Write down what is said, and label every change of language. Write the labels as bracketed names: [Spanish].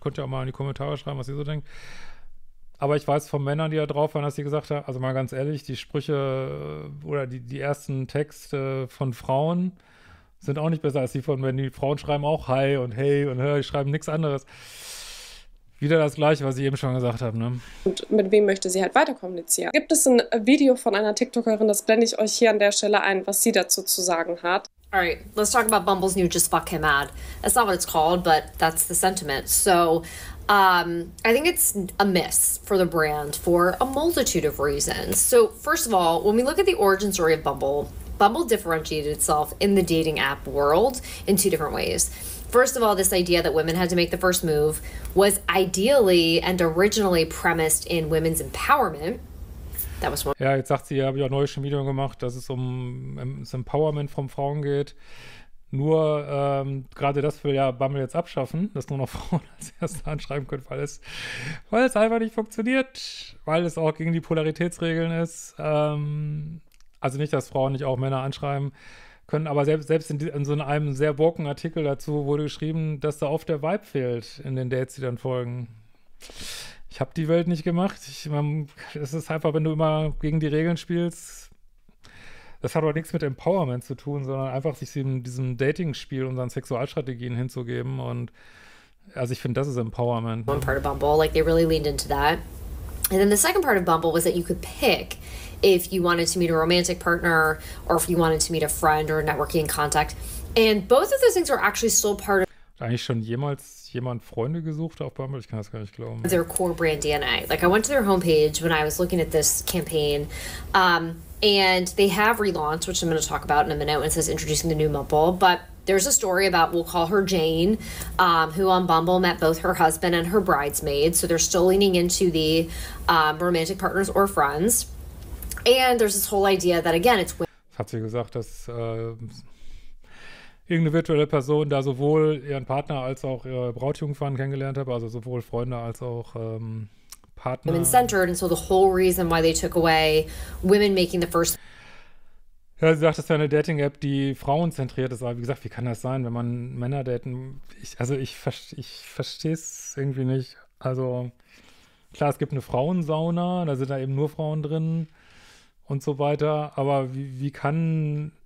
[German] Könnt ihr auch mal in die Kommentare schreiben, was ihr so denkt. Aber ich weiß von Männern, die da drauf waren, dass sie gesagt haben, also mal ganz ehrlich, die Sprüche oder die ersten Texte von Frauen sind auch nicht besser als die von Männern. Die Frauen schreiben auch Hi und Hey und Hör, die schreiben nichts anderes. Wieder das Gleiche, was ich eben schon gesagt habe, ne? und mit wem möchte sie halt weiter kommunizieren? Gibt es ein Video von einer TikTokerin, das blende ich euch hier an der Stelle ein, was sie dazu zu sagen hat? [English] Alright, let's talk about Bumble's new Just Fuck Him ad. That's not what it's called, but that's the sentiment. So, I think it's a miss for the brand for a multitude of reasons. So, first of all, when we look at the origin story of Bumble, Bumble differentiated itself in the dating app world in two different ways. First of all, this idea that women had to make the first move was ideally and originally premised in women's empowerment. That was one. [German] Ja, jetzt sagt sie, ja, habe ich auch neue Schmiedungen gemacht, dass es ums Empowerment von Frauen geht. Nur gerade das will ja Bumble jetzt abschaffen, dass nur noch Frauen als Erste anschreiben können, weil es einfach nicht funktioniert, weil es auch gegen die Polaritätsregeln ist. Also nicht, dass Frauen nicht auch Männer anschreiben können, aber selbst in so einem sehr woken Artikel dazu wurde geschrieben, dass da oft der Vibe fehlt in den Dates, die dann folgen. Ich habe die Welt nicht gemacht. Es ist einfach, wenn du immer gegen die Regeln spielst. Das hat aber nichts mit Empowerment zu tun, sondern einfach sich diesem Dating-Spiel und seinen Sexualstrategien hinzugeben. Und also ich finde, das ist Empowerment, [English] One [German] ne? [English] part of Bumble, like they really leaned into that. And then the second part of Bumble was that you could pick if you wanted to meet a romantic partner or if you wanted to meet a friend or a networking contact. And both of those things are actually still part of [German] Eigentlich schon jemals jemand Freunde gesucht auf Bumble? Ich kann das gar nicht glauben. [English] their core brand DNA. Like I went to their homepage when I was looking at this campaign, and they have relaunched, which I'm going to talk about in a minute when it says introducing the new Bumble, but there's a story about, we'll call her Jane, who on Bumble met both her husband and her bridesmaid. So they're still leaning into the romantic partners or friends. And there's this whole idea that, again, it's [German] Hat sie gesagt, dass irgendeine virtuelle Person da sowohl ihren Partner als auch ihre Brautjungfern kennengelernt habe, also sowohl Freunde als auch Partner. [English] women-centered. And so the whole reason why they took away women making the first. [German] Ja, sie sagt, das wäre eine Dating-App, die frauenzentriert ist, aber wie gesagt, wie kann das sein, wenn man Männer daten? Ich verstehe es irgendwie nicht. Also klar, es gibt eine Frauensauna, da sind da eben nur Frauen drin und so weiter, aber wie kann